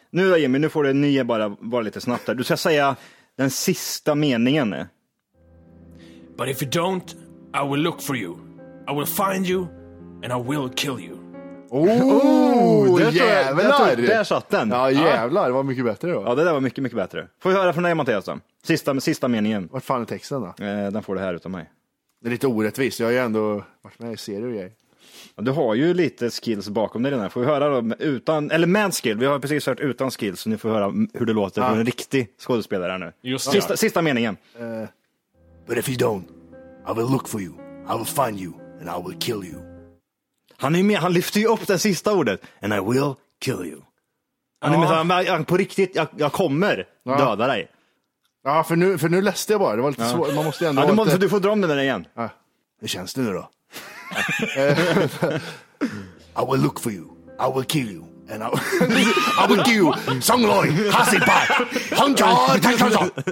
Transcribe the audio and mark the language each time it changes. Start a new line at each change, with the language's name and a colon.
Swedish: Nu då, Jimmy, nu får du nya bara lite snabbt där. Du ska säga den sista meningen.
English: But if you don't, I will look for you. I will find you, and I will kill you.
Swedish: Oh, jävlar! Där satt den. Ja, jävlar, det var mycket bättre då. Ja, det där var mycket, mycket bättre. Får vi höra från dig, Mattias, då? Sista meningen. Vart fan är texten då? Den får du här utav mig. Det är lite orättvist, jag har ju ändå varit med i serier och grejer. Du har ju lite skills bakom dig redan. Får vi höra då utan, eller med skill. Vi har precis hört utan skill, så ni får höra hur det låter på en riktig skådespelare här nu. Just sista meningen.
English: But if you don't, I will look for you. I will find you and I will kill you.
Swedish: Han lyfter ju upp det sista ordet.
English: And I will kill you.
Swedish: Han är såhär, på riktigt, jag kommer döda dig. Ja, för nu läste jag bara. Det var lite svårt. Man måste ändå Så du får dra om den där igen. Ja. Hur känns det nu då?
English: I will look for you. I will kill you. And I will kill you. Song Loi. Hasi Pa. Hong Kong.
Swedish: Tack, tack, tack.